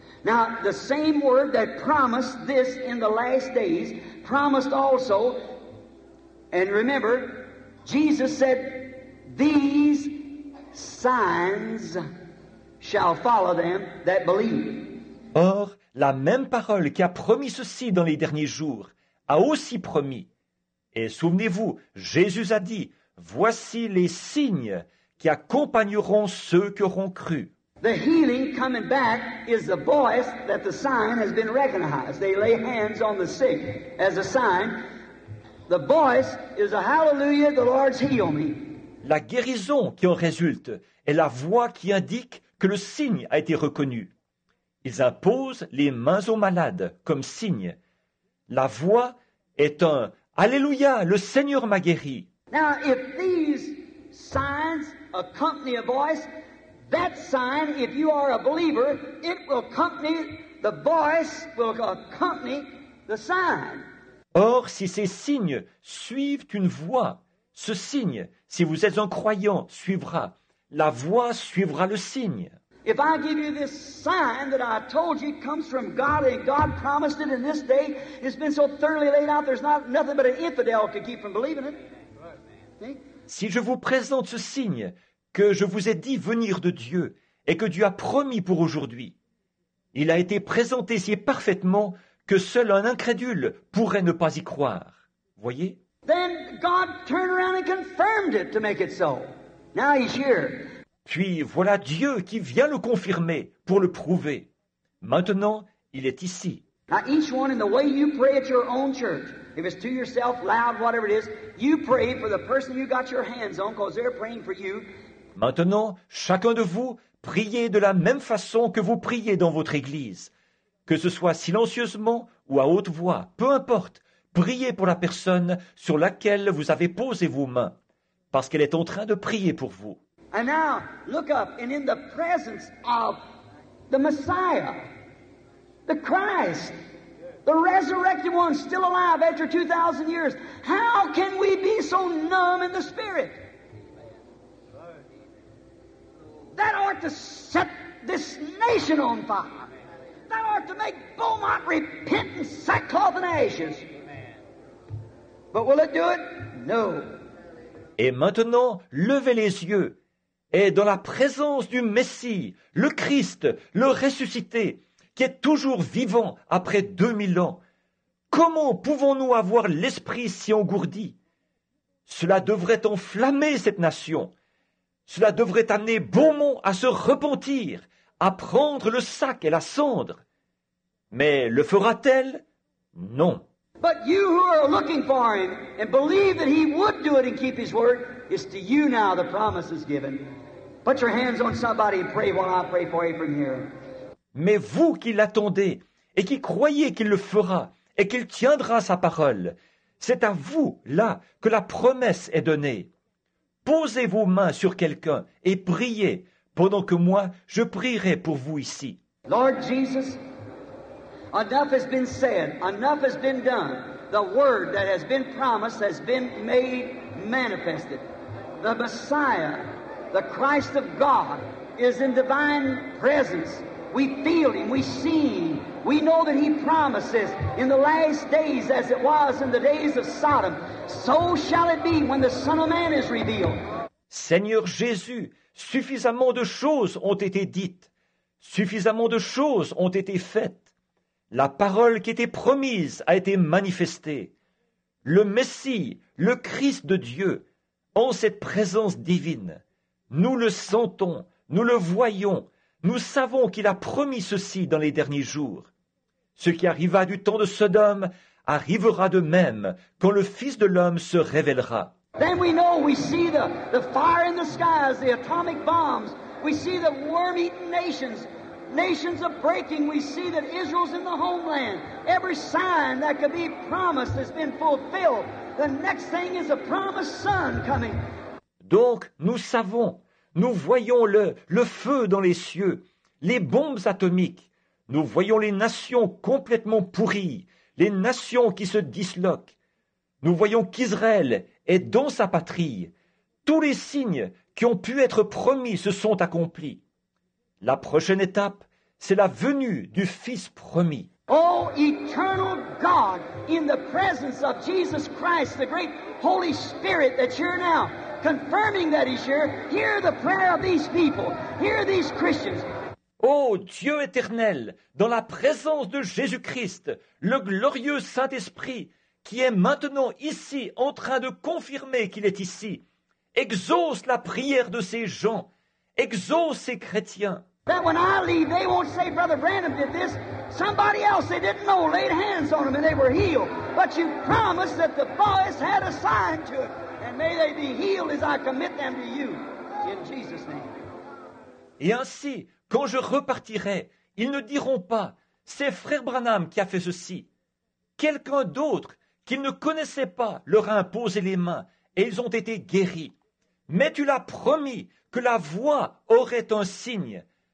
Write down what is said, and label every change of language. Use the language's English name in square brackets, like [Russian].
[English] Now, the same word that promised this in the last days promised also, and remember, Jesus said, these signs shall follow them that believe. [French] Or, la même parole qui a promis ceci dans les derniers jours a aussi promis. Et souvenez-vous, Jésus a dit, voici les signes qui accompagneront ceux qui auront cru. [English] The healing coming back is the voice that the sign has been recognized. They lay hands on the sick as a sign. The voice is a hallelujah, the Lord's healed me. [French] La guérison qui en résulte est la voix qui indique que le signe a été reconnu. Ils imposent les mains aux malades comme signe. La voix est un alléluia, le Seigneur m'a guéri. [English] Now, if these signs accompany a voice, that sign, if you are a believer, it will accompany, the voice will accompany the sign. [French] Or, si ces signes suivent une voix, ce signe, si vous êtes un croyant, suivra. La voix suivra le signe. [English] If I give you this sign that I told you comes from God and God promised it in this day, it's been so thoroughly laid out, there's not nothing but an infidel could keep from believing it. See? [French] Si je vous présente ce signe, que je vous ai dit venir de Dieu et que Dieu a promis pour aujourd'hui. Il a été présenté si parfaitement que seul un incrédule pourrait ne pas y croire. Voyez? [English] Then God turned around and confirmed it to make it so. Now he's here. [French] Puis voilà Dieu qui vient le confirmer pour le prouver. Maintenant, il est ici. [English] Now each one in the way you pray at your own church. If it's to yourself, loud, whatever it is, you pray for the person you got your hands on because they're praying for you. [French] Maintenant, chacun de vous, priez de la même façon que vous priez dans votre église. Que ce soit silencieusement ou à haute voix, peu importe, priez pour la personne sur laquelle vous avez posé vos mains, parce qu'elle est en train de prier pour vous. [English] And now, look up, and in the presence of the Messiah, the Christ, the resurrected one still alive after 2,000 years, how can we be so numb in the spirit? That ought to set this nation on fire. That ought to make Beaumont repent in sackcloth and ashes. But will it do it? No. [French] Et maintenant, levez les yeux est dans la présence du Messie, le Christ, le ressuscité, qui est toujours vivant après 2000 ans. Comment pouvons-nous avoir l'esprit si engourdi? Cela devrait enflammer cette nation. Cela devrait amener Beaumont à se repentir, à prendre le sac et la cendre. Mais le fera-t-elle? Non. [English] But you who are looking for him and believe that he would do it and keep his word, it's to you now the promise is given. Put your hands on somebody and pray while I pray for Abraham here. [French] Mais vous qui l'attendez et qui croyez qu'il le fera et qu'il tiendra sa parole, c'est à vous là que la promesse est donnée. Posez vos mains sur quelqu'un et priez pendant que moi je prierai pour vous ici. [English] Lord Jesus, enough has been said, enough has been done. The word that has been promised has been made manifested. The Messiah, the Christ of God, is in divine presence. We feel him, we see him. We know that he promises in the last days as it was in the days of Sodom. So shall it be when the Son of Man is revealed. [French] Seigneur Jésus, suffisamment de choses ont été dites. Suffisamment de choses ont été faites. La parole qui était promise a été manifestée. Le Messie, le Christ de Dieu, en cette présence divine, nous le sentons, nous le voyons, nous savons qu'il a promis ceci dans les derniers jours. Ce qui arriva du temps de Sodome arrivera de même quand le Fils de l'homme se révélera. [English] Then we know, we see the fire in the skies, the atomic bombs, we see the worm-eaten nations. Nations are breaking. We see that Israel's in the homeland. Every sign that could be promised has been fulfilled. The next thing is a promised son coming. [French] Donc, nous savons, nous voyons le feu dans les cieux, les bombes atomiques. Nous voyons les nations complètement pourries, les nations qui se disloquent. Nous voyons qu'Israël est dans sa patrie. Tous les signes qui ont pu être promis se sont accomplis. La prochaine étape, c'est la venue du Fils promis. [English] Oh, eternal God, in the presence of Jesus Christ, the great Holy Spirit that's here now, confirming that he's here, hear the prayer of these people, hear these Christians. [French] Oh, Dieu éternel, dans la présence de Jésus-Christ, le glorieux Saint-Esprit, qui est maintenant ici en train de confirmer qu'il est ici, exauce la prière de ces gens. Exauce ces chrétiens. [English] That when I leave, they won't say Brother Branham did this. Somebody else they didn't know laid hands on them and they were healed. But you promised that the boys had a sign to it. And may they be healed as I commit them to you. In Jesus' name. [French] Et ainsi, quand je repartirai, ils ne diront pas, c'est Frère Branham qui a fait ceci. Quelqu'un d'autre qu'ils ne connaissaient pas leur a imposé les mains et ils ont été guéris. Mais tu l'as promis que la voix aurait un signe.